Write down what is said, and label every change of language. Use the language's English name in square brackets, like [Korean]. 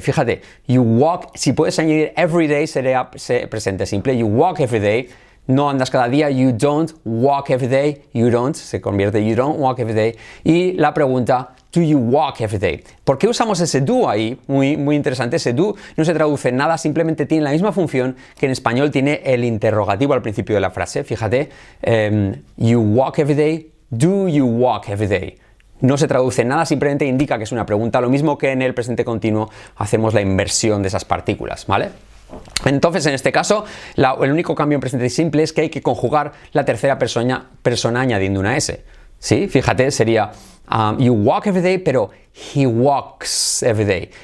[Spanish] Fíjate, you walk, si puedes añadir every day, sería presente simple, [English] you walk every day, [Spanish] no andas cada día, [English] you don't walk every day, [Spanish] you don't, se convierte you don't walk every day. Y la pregunta, [English] do you walk every day? [Spanish] ¿Por qué usamos ese do ahí? Muy, muy interesante, ese do no se traduce en nada, simplemente tiene la misma función que en español tiene el interrogativo al principio de la frase. Fíjate, [English] you walk every day, do you walk every day? [Spanish] No se traduce en nada, simplemente indica que es una pregunta, lo mismo que en el presente continuo hacemos la inversión de esas partículas, ¿vale? Entonces, en este caso, el único cambio en presente simple es que hay que conjugar la tercera persona añadiendo una S. ¿Sí? Fíjate, sería [English] you walk every day, [Spanish] pero [English] he walks every day.